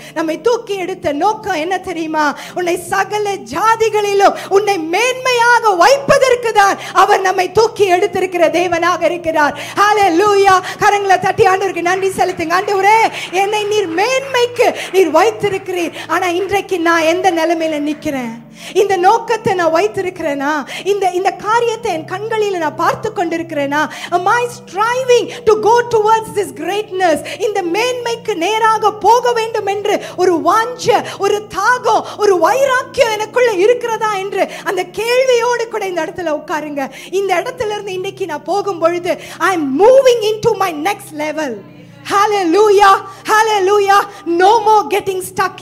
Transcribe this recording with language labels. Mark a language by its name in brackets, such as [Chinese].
[Tamil] நம்மை தூக்கி எடுத்த நோக்கம் என்ன தெரியுமா? உன்னை சகல ஜாதிகளிலும் உன்னை மேன்மையாக வைப்பதற்கு தான் அவர் நம்மை தூக்கி எடுத்திருக்கிற தேவனாக இருக்கிறார். ஹல்லேலூயா. கரங்களை தட்டி ஆண்டவருக்கு நன்றி செலுத்துங்க. ஆண்டவரே, என்னை நீர் மேன்மைக்கு நீர் வைத்திருக்கிறீர். ஆனா இன்றைக்கு நான் எந்த நிலைமையில நிக்கிறேன்? இந்த நோக்கத்தை நான் வைத்திருக்கிறேனா? இந்த காரியத்தை என் கண்களில நான் பார்த்து கொண்டிருக்கிறேனா? [English] Am I striving to go towards this greatness? [Tamil] இந்த மேன்மைக்கு நேராக போக வேண்டும் என்று ஒரு வாஞ்சை, ஒரு தாகம், ஒரு வைராக்கியம் எனக்குள்ள இருக்கிறதா என்று அந்த கேள்வியோடு கூட இந்த இடத்துல உட்காருங்க. இந்த இடத்துல இருந்து இன்னைக்கு நான் போகும் பொழுது [English] I'm moving into my next level. Hallelujah, hallelujah. No more getting stuck.